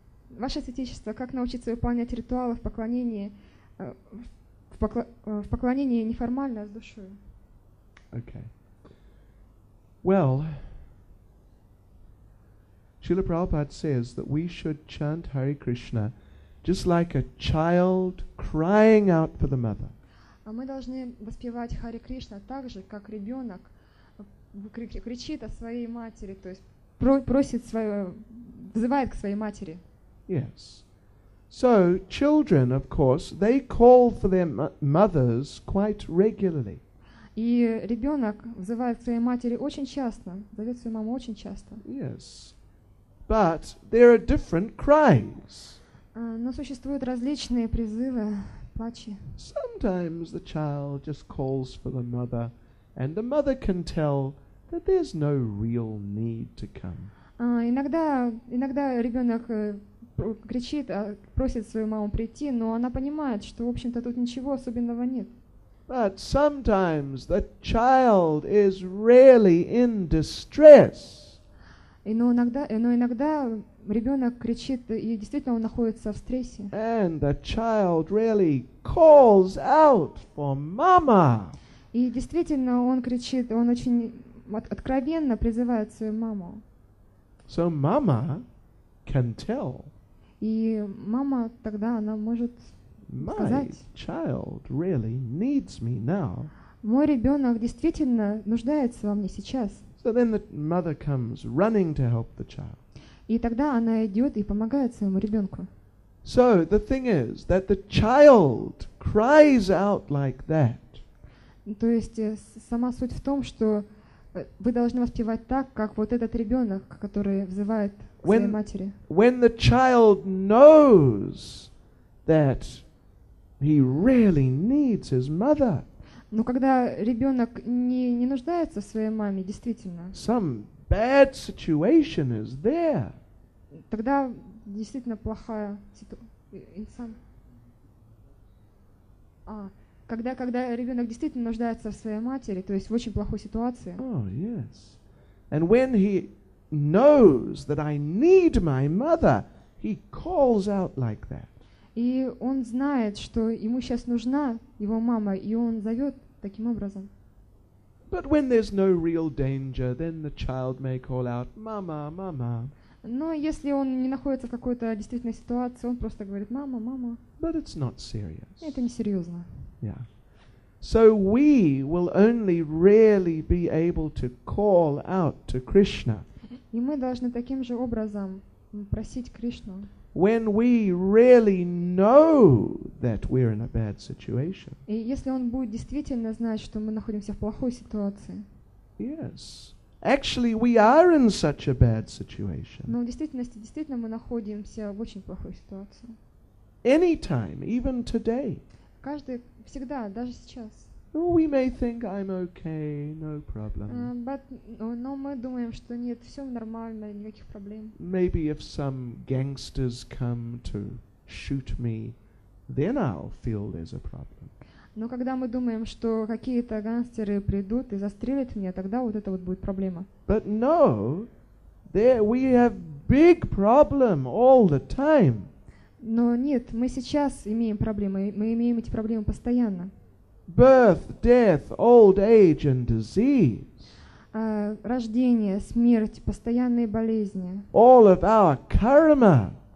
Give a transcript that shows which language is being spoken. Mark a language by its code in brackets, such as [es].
[ru] Ваше святейшество, как научиться выполнять ритуалы в поклонении в поклонении неформально, а с душой? [en] Okay. Well, Srila Prabhupada says that we should chant Hare Krishna just like a child crying out for the mother. [ru] Мы должны воспевать Хари Кришна так же, как ребёнок кричит о своей матери, то есть просит свою, взывает к своей матери. [en] Yes. So children, of course, they call for their mothers quite regularly. [ru] И ребёнок взывает к своей матери очень часто, зовёт свою маму очень часто. [en] Yes. But there are different cries. [ru] Но существуют различные призывы, плачи. [en] Sometimes the child just calls for the mother, and the mother can tell that there's no real need to come. [ru] Иногда ребенок кричит, просит свою маму прийти, но она понимает, что, в общем-то, тут ничего особенного нет. [en] But sometimes the child is really in distress. [ru] Но иногда ребенок кричит, и действительно он находится в стрессе. [en] And the child really calls out for mama. [ru] И действительно он кричит, он очень откровенно призывает свою маму. [en] So mama can tell. [ru] И мама тогда она может сказать. [en] My child really needs me now. [ru] Мой ребенок действительно нуждается во мне сейчас. [en] So then the mother comes running to help the child. [ru] И тогда она идёт и помогает своему ребёнку. [en] So the thing is that the child cries out like that. [ru] То есть сама суть в том, что вы должны воспевать так, как вот этот ребёнок, который взывает к своей матери. [en] When the child knows that he really needs his mother. [ru] Но когда ребёнок не нуждается в своей маме, действительно. [en] Some bad situation is there. [ru] Тогда действительно плохая ситуация. Когда ребёнок действительно нуждается в своей матери, то есть в очень плохой ситуации. [en] Oh, yes. And when he knows that I need my mother, he calls out like that. [ru] И он знает, что ему сейчас нужна его мама, и он зовёт таким образом. [en] But when there's no real danger, then the child may call out, "Mama, mama." [ru] Но если он не находится в какой-то действительной ситуации, он просто говорит, "Мама, мама." [en] But it's not serious. [ru] Это не серьёзно. [en] Yeah. So we will only really be able to call out to Krishna. [ru] И мы должны таким же образом просить Кришну. [en] When we really know that we're in a bad situation. [ru] И если он будет действительно знать, что мы находимся в плохой ситуации. [en] Yes. Actually, we are in such a bad situation. [ru] Но в действительности действительно мы находимся в очень плохой ситуации. [en] Anytime, even today. [ru] Каждый всегда, даже сейчас. [en] Oh, we may think I'm okay, no problem. [ru] Но мы думаем, что нет, все нормально, никаких проблем. [en] Maybe if some gangsters come to shoot me, then I'll feel there's a problem. [ru] Но когда мы думаем, что какие-то гангстеры придут и застрелят меня, тогда вот это вот будет проблема. [en] But no, there we have big problem all the time. [ru] Но нет, мы сейчас имеем проблемы, мы имеем эти проблемы постоянно. [en] Birth, death, old age and disease. [ru] Рождение, смерть, постоянные болезни. [en] All of our karma.